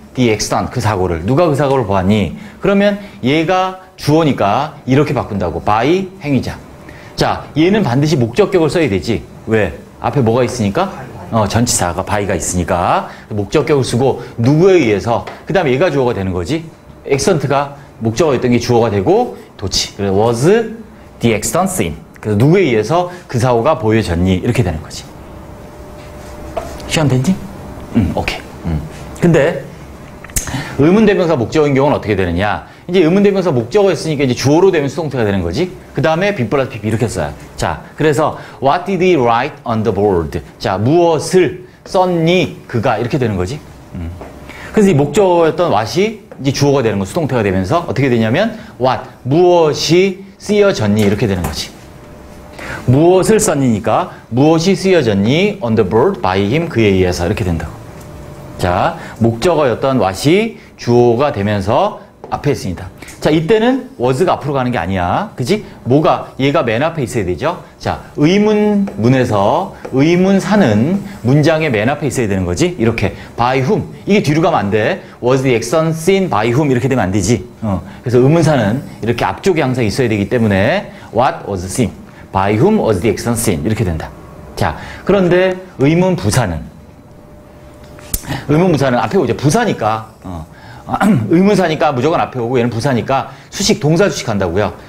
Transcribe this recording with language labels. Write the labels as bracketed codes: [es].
[en] the extent, [ko] 그 사고를. 누가 그 사고를 보았니? 그러면 얘가 주어니까 이렇게 바꾼다고. by 행위자. 자, 얘는 반드시 목적격을 써야 되지. 왜? 앞에 뭐가 있으니까? 전치사가 by가 있으니까. 목적격을 쓰고 누구에 의해서, 그 다음에 얘가 주어가 되는 거지. extent 가 목적어였던 게 주어가 되고 도치. 그래서 [en] was the extent seen. [ko] 그래서 누구에 의해서 그 사고가 보여졌니? 이렇게 되는 거지. 시험 됐니? 오케이. 근데 의문대명사 목적어인 경우는 어떻게 되느냐. 이제 의문대명사 목적어였으니까 이제 주어로 되면 수동태가 되는 거지. 그 다음에 b 플러스 pp 이렇게 써요. 자, 그래서 [en] what did he write on the board? [ko] 자, 무엇을 썼니 그가, 이렇게 되는 거지. 그래서 이 목적어였던 what이 이제 주어가 되는 거, 수동태가 되면서 어떻게 되냐면 what, 무엇이 쓰여졌니 이렇게 되는 거지. 무엇을 썼니니까 무엇이 쓰여졌니 [en] on the board by him, [ko] 그에 의해서 이렇게 된다고. 자, 목적어였던 what이 주어가 되면서 앞에 있습니다. 자, 이때는 was가 앞으로 가는 게 아니야. 그지? 뭐가, 얘가 맨 앞에 있어야 되죠? 자, 의문문에서 의문사는 문장의 맨 앞에 있어야 되는 거지. 이렇게 by whom, 이게 뒤로 가면 안 돼. [en] was the action seen by whom [ko] 이렇게 되면 안 되지. 그래서 의문사는 이렇게 앞쪽에 항상 있어야 되기 때문에 [en] what was seen, by whom was the action seen [ko] 이렇게 된다. 자, 그런데 의문부사는 앞에 오죠. 부사니까, 의문사니까 무조건 앞에 오고, 얘는 부사니까 수식, 동사 수식한다고요.